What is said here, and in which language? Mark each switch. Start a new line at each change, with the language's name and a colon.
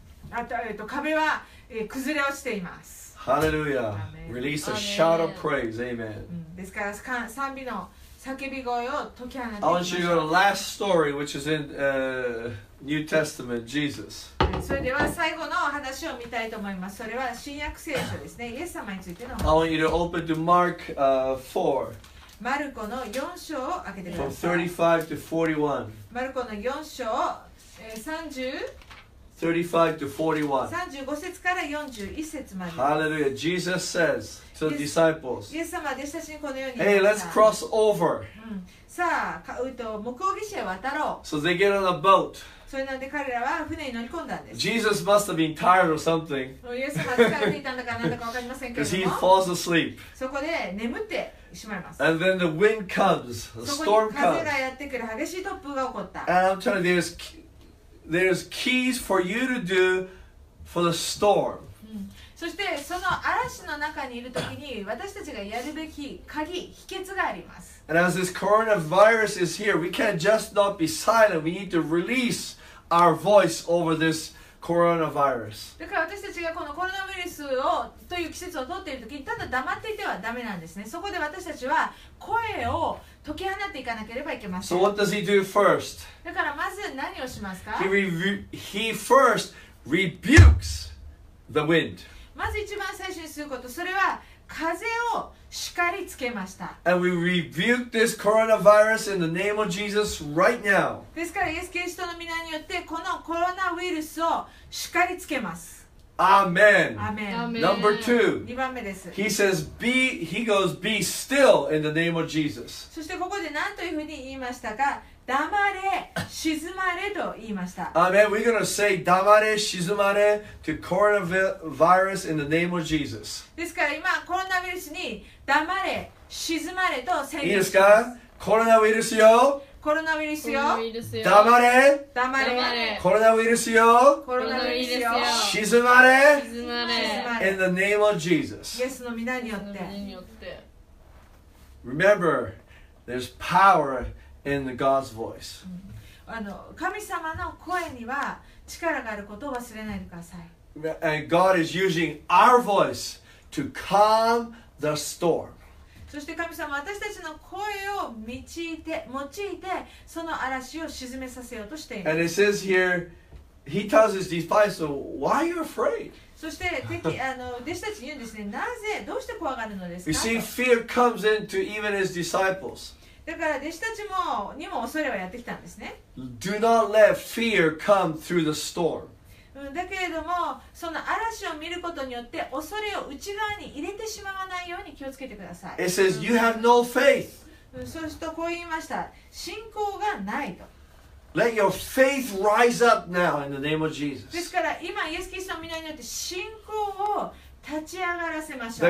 Japanese: あと壁は崩れ落ちています。
English: Hallelujah. Release a shout of praise. Amen.
Japanese: ですから賛美の叫び声を解き放っていきまし
English: ょう。 I want you to go to the last story, which is in New Testament, Jesus.
Japanese: それでは最後の話を見たいと思います。それは新約聖書ですね。イエス様についての。
English: I want you to open to Mark 4.
Japanese: マルコの4章を開けてください。
English: From 35 to 41.
Japanese: マルコの4章を
English: 35 to 41. Hallelujah. Jesus says to the disciples,
Japanese: イエス様は弟子たちにこのように言いました。
English: Hey, let's cross over.
Japanese: さあ、向こう岸へ渡ろう。
English: So they get on a boat.
Japanese: それなんで彼らは船に乗り込んだんです。
English: Jesus must have been tired or something.
Japanese: イエスは疲れていたのか何だか分かりませんけども。
English: Because he falls asleep.
Japanese: そこで眠ってしまいます。
English: And then the wind comes, the storm comes.
Japanese: そこに風がやってくる激しい突風が起こった。
English: And I'm telling you, there's keys for you to do for the storm.
Japanese: そしてその嵐の中にいるときに私たちがやるべき鍵、秘訣があります。
English: And as this coronavirus is here, we can't just not be silent. We need to release our voice over this coronavirus.
Japanese: だから私たちがこのコロナウイルスをという季節を通っているときにただ黙っていてはダメなんですね。そこで私たちは声を解き放っていかなければいけません。
English: So what does he do first?
Japanese: だからまず何をしますか?
English: He first rebukes the wind.
Japanese: まず一番最初にすること、それは風を叱りつけました。
English: And we rebuke this coronavirus in the name of Jesus right now.
Japanese: ですからイエス・キリストの皆によってこのコロナウイルスを叱りつけます。
English: Amen. Amen. Number two.
Japanese: 二番目です。
English: He says, "Be." He goes, "Be still in the name of Jesus."
Japanese: そしてここで何というふうに言いましたか。黙れ、静まれと言いました。
English: Amen. We're going to say
Japanese: 黙れ、静まれ
English: to coronavirus in the name of Jesus.
Japanese: ですから今コロナウイルスに黙れ、静まれと宣言します。いいですか？コロナウイルスよ。コロナウイルスよ。黙れ。黙れ。コロナウイルスよ。コロナウイルスよ。静まれ。静まれ。
English: In the name of Jesus.
Japanese: イエスの皆によって。
English: Remember, there's power. In God's voice.
Japanese: あの神様の声には力があることを忘れないでください。
English: And God is using our voice to calm the storm.
Japanese: そして神様は私たちの声を用いてその嵐を沈めさせようとしています。
English: And it says here, He tells His disciples, "Why are you afraid?"
Japanese: そして敵あの弟子たちに言うんですね。なぜどうして怖がるのですか。
English: You see, fear comes into even His disciples.
Japanese: だから弟子たちもにも恐れはやってきたんですね。
English: Do not let fear come through the storm.
Japanese: だけれどもその嵐を見ることによって恐れを内側に入れてしまわないように気をつけてください。
English: It says you have no faith.
Japanese: そうするとこう言いました。信仰がないと。
English: Let your faith rise up now in the name of Jesus.
Japanese: ですから今イエス・キリストの御名によって信仰を立ち上がらせましょう。